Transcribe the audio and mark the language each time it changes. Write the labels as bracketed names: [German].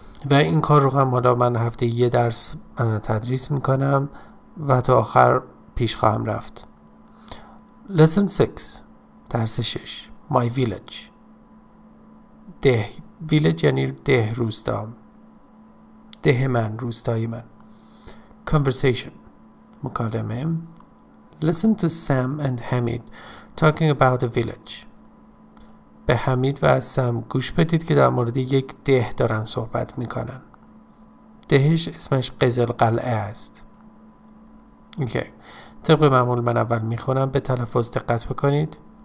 [Persian] و این کار رو هم حالا من هفته یه درس تدریس میکنم و تا آخر پیش خواهم رفت. [English] Lesson 6 [Persian] درس 6 [English] My Village [Persian] ده ویلج یعنی ده روستا، ده من، روستای من. [English] Conversation [Persian] مکالمه. [English] Listen to Sam and Hamid talking about the village. [Persian] به حمید و سم گوش بدید که در مورد یک ده دارن صحبت میکنن. دهش اسمش قزل قلعه است. اوکی. طبق معمول من اول میخونم، به تلفظ دقت بکنید.